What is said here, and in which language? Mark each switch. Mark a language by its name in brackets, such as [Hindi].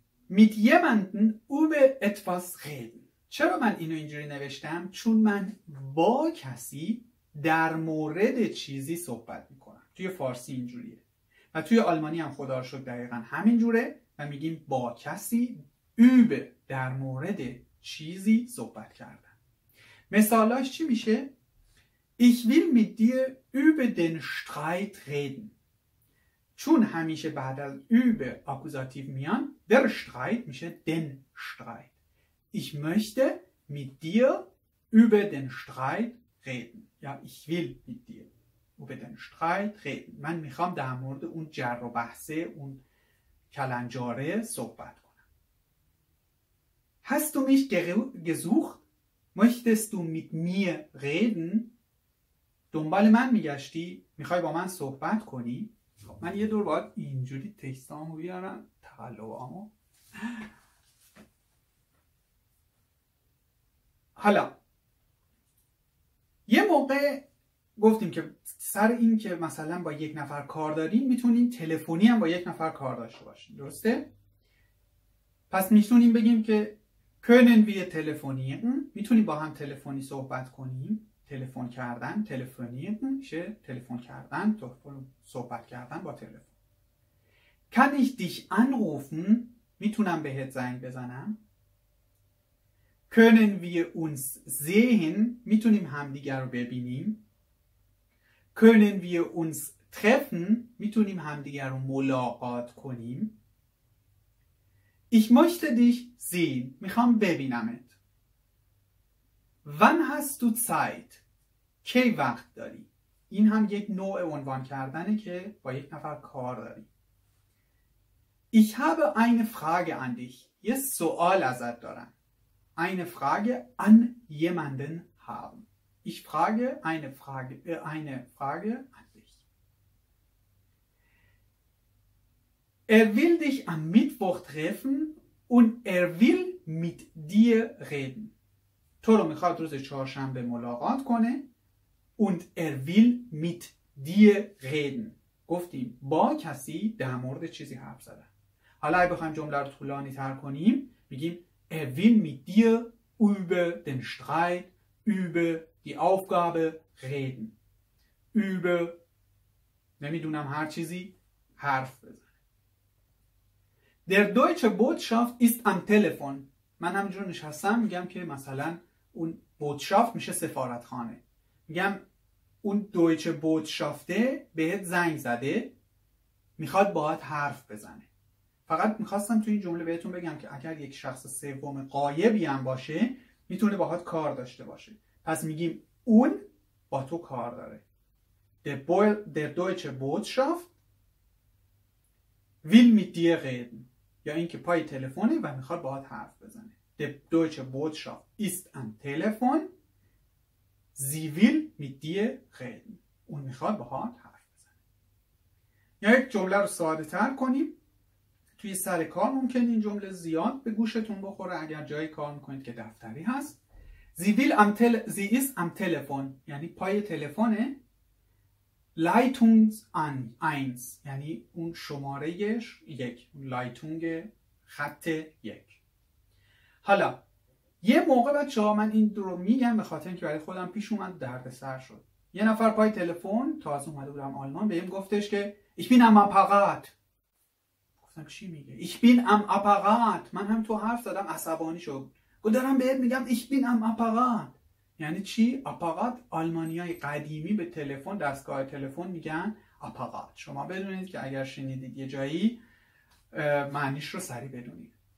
[German] mit jemanden über etwas reden، [Persian] چرا من اینو اینجوری نوشتم؟ چون من با کسی در مورد چیزی صحبت میکنم. توی فارسی اینجوریه و توی آلمانی هم خدا شد دقیقا همینجوره و میگیم با کسی über، در مورد چیزی صحبت کردم. مثالاش چی میشه؟ [German] Ich will mit dir über den Streit reden، [Persian] چون همیشه بعد از über اکوزاتیو میان، der Streit میشه den Streit. [German] Ich möchte mit dir über den Streit reden. Ja, ich will mit dir über den Streit reden. [Persian] من میخوام در مورد اون جر و بحثه، اون کلنجاره صحبت کنم. [German] Hast du mich gesucht? Möchtest du mit mir reden? [Persian] دنبال من میگشتی؟ میخوای با من صحبت کنی؟ من یه دور باید اینجوری تکستامو بیارم، تقلبامو. حالا یه موقع گفتیم که سر این که مثلا با یک نفر کار داریم میتونیم تلفنی هم با یک نفر کار داشته باشیم، درسته؟ پس میتونیم بگیم که [German] können wir telefonieren، [Persian] میتونیم با هم تلفنی صحبت کنیم. تلفن کردن telefonieren میشه تلفن کردن، تلفن صحبت کردن با تلفن. [German] kann ich dich anrufen، [Persian] میتونم بهت زنگ بزنم. [German] Können wir uns sehen، [Persian] میتونیم همدیگر رو ببینیم. [German] Können wir uns treffen، [Persian] میتونیم همدیگر رو ملاقات کنیم. [German] Ich möchte dich sehen، [Persian] میخوام ببینمت. [German] Wann hast du Zeit، [Persian] کی وقت داری؟ این هم یک نوع عنوان کردنه که با یک نفر کار داری. [German] Ich habe eine Frage an dich، [Persian] یه سوال ازت دارم. [German] Eine Frage an jemanden haben. Ich frage eine Frage an dich. Er will dich am Mittwoch treffen und er will mit dir reden. [Persian] تو رو میخواد روز چهارشنبه ملاقات کنه. [German] Und er will mit dir reden. [Persian] گفتیم با کسی در مورد چیزی حرف زدن. حالا اگه بخوایم جمله رو طولانی تر کنیم بگیم [German] Er will mit dir über den Streit, über die Aufgabe reden. [Persian] اوبه نمیدونم هر چیزی حرف بزنه. [German] در دویچه بوتشافت ایست ام تلفون. [Persian] من همجور نشستم میگم که مثلا اون بوتشافت میشه سفارتخانه، میگم اون دویچه بوتشافته بهت زنگ زده میخواد باهات حرف بزنه. فقط میخواستم تو این جمله بهتون بگم که اگر یک شخص سوم غایبی هم باشه میتونه باهات کار داشته باشه. پس میگیم اون با تو کار داره. [German] Der deutsche Botschaft will mit dir reden. [Persian] یا اینکه پای تلفنه و میخواد باهات حرف بزنه. [German] Der deutsche Botschaft ist am Telefon. Sie will mit dir reden. [Persian] اون میخواد باهات حرف بزنه. یا یک جمله رو ساده تر کنیم. توی سر کار ممکن این جمله زیاد به گوشتون بخوره اگر جایی کار میکنید که دفتری هست. [German] Sie ist am Telefon. [Persian] یعنی پای تلفنه. Leitung 1 یعنی اون شماره یک، لایتونگ خط یک. حالا یه موقع بچه ها من این رو میگم به خاطر اینکه برای خودم پیش اومد، درد سر شد. یه نفر پای تلفن تازه اومده بودم آلمان بهم گفتش که [German] ich bin am Apparat. [Persian] گفتم چی میگه؟ [German] ich bin am Apparat. [Persian] من هم تو حرف زدم عصبانی شد گفت دارم بهت میگم [German] ich bin am Apparat. [Persian] یعنی چی؟ آپارات آلمانیای قدیمی به تلفن، دستگاه تلفن میگن آپارات. شما بدونید که اگر شنیدید یه جایی معنیش رو سریع بدونید.